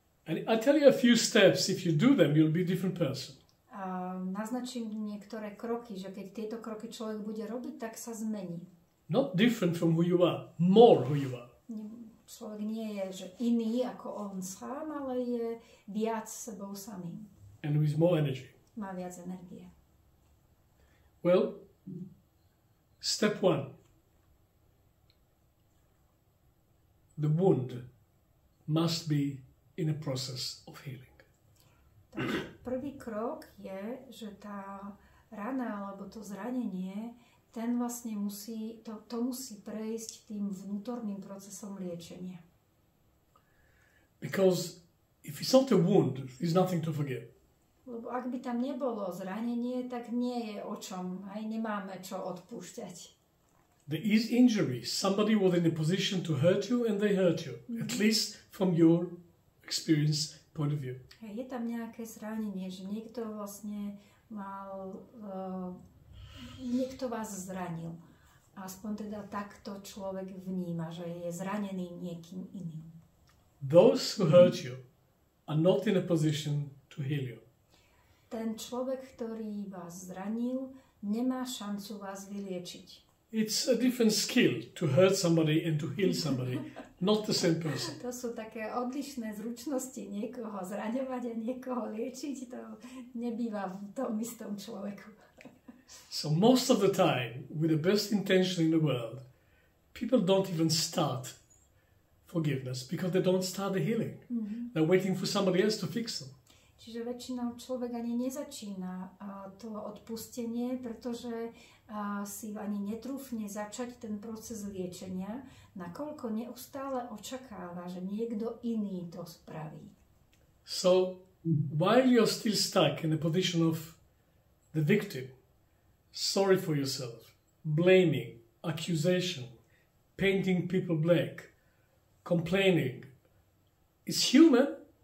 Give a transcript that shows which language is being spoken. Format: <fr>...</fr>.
<en>And I tell you a few steps, if you do them, you'll be a different person.</en> <sk>Naznačím niektoré kroky, že keď tieto kroky človek bude robiť, tak sa zmení.</sk> <en>Not different from who you are, more who you are.</en> <sk>Človek nie je že iný ako on sám, ale je viac sebou samým.</sk> <en>And with more energy.</en> <sk>Má viac energie.</sk> <en>Well, step one. The wound must be in a process of healing.</en> <sk>Takže prvý krok je, že tá rana alebo to zranenie, ten vlastne musí, to musí prejsť tým vnútorným procesom liečenia.</sk> <en>Because if it's not a wound, there's nothing to forget.</en> <sk>Lebo ak by tam nebolo zranenie, tak nie je o čom, aj nemáme čo odpúšťať.</sk> <en>There is injury. Somebody was in a position to hurt you and they hurt you. At least from your experience point of view.</en> <sk>Je tam nejaké zranenie, že niekto vlastne mal, niekto vás zranil. Aspoň teda takto človek vníma, že je zranený niekým iným.</sk> <en>Those who hurt you are not in a position to heal you.</en> <sk>Ten človek, ktorý vás zranil, nemá šancu vás vyliečiť.</sk> <en>It's a different skill to hurt somebody and to heal somebody, not the same person.</en> <sk>To sú také odlišné zručnosti niekoho zraňovať a niekoho liečiť, to nebýva v tom istom človeku.</sk> <en>So most of the time, with the best intention in the world, people don't even start forgiveness because they don't start the healing. Mm-hmm. They're waiting for somebody else to fix them.</en> <sk>Čiže väčšinou človek ani nezačína to odpustenie, pretože si ani netrúfne začať ten proces liečenia, nakoľko neustále očakáva, že niekto iný to spraví.</sk> <en>So, while you're still stuck in the position of the victim, sorry for yourself, blaming, accusation, painting people black, complaining, it's human.</en>